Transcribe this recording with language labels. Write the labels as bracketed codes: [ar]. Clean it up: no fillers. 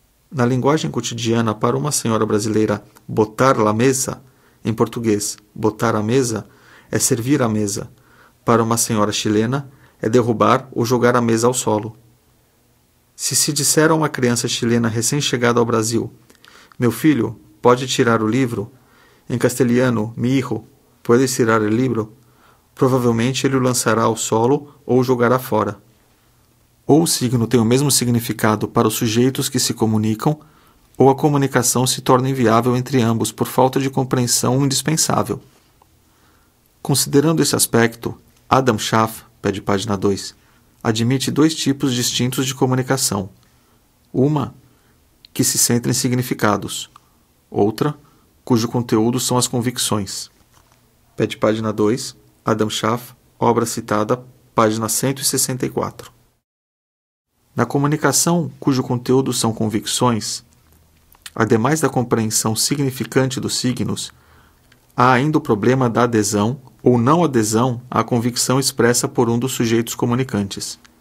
[pt] Na linguagem cotidiana, para uma senhora brasileira, botar la mesa, em português, botar a mesa, é servir a mesa. Para uma senhora chilena, é derrubar ou jogar a mesa ao solo. Se se disser a uma criança chilena recém-chegada ao Brasil, meu filho, pode tirar o livro? [es] Em castelhano, mi hijo, puedes tirar el libro? [pt] Provavelmente ele o lançará ao solo ou o jogará fora. Ou o signo tem o mesmo significado para os sujeitos que se comunicam, ou a comunicação se torna inviável entre ambos por falta de compreensão indispensável. Considerando esse aspecto, Adam Schaff, pede página 2, admite dois tipos distintos de comunicação. Uma, que se centra em significados. Outra, cujo conteúdo são as convicções. Pede página 2, Adam Schaff, obra citada, página 164. Na comunicação cujo conteúdo são convicções, ademais da compreensão significante dos signos, há ainda o problema da adesão ou não adesão à convicção expressa por um dos sujeitos comunicantes.